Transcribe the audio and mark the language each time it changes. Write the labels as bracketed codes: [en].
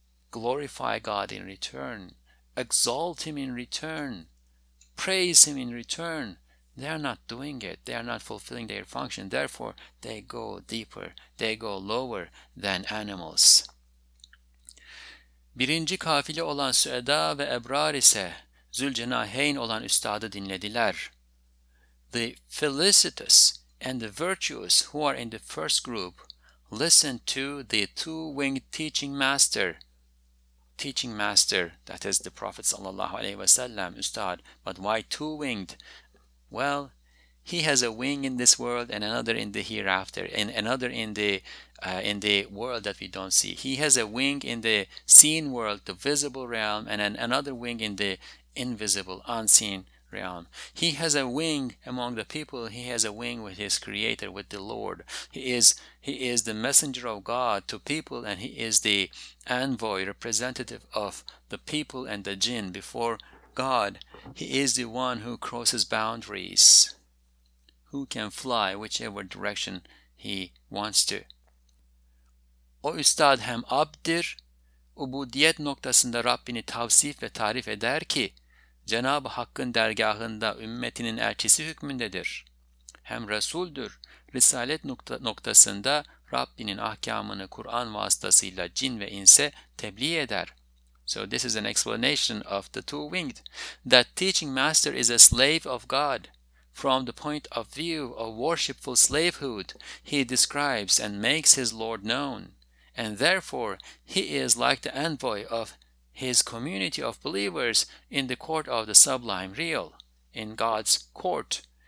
[en] Glorify God in return. Exalt Him in return. Praise Him in return. They are not doing it. They are not fulfilling their function. Therefore, they go deeper. They go lower than animals. [tr] Birinci kafile olan Süeda ve Ebrar ise Zülcenaheyn olan üstadı dinlediler. [en] The felicitous and the virtuous who are in the first group listen to the two-winged teaching master. Teaching master, that is the Prophet sallallahu aleyhi ve sellem, üstad. But why two-winged? Well, he has a wing in this world and another in the hereafter, and another in the world that we don't see. He has a wing in the seen world, the visible realm, and another wing in the invisible, unseen realm. He has a wing among the people. He has a wing with his creator, with the Lord. He is the messenger of God to people, and he is the envoy, representative of the people and the jinn before God. He is the one who crosses boundaries, who can fly whichever direction he wants to. [tr] O üstad hem abdir, ubudiyet noktasında Rabbini tavsif ve tarif eder ki, Cenab-ı Hakk'ın dergahında ümmetinin elçisi hükmündedir. Hem Resuldür, Risalet noktasında Rabbinin ahkamını Kur'an vasıtasıyla cin ve inse tebliğ eder. [en] So this is an explanation of the two-winged. That teaching master is a slave of God. From the point of view of worshipful slavehood, he describes and makes his Lord known. And therefore, he is like the envoy of his community of believers in the court of the sublime real, in God's court.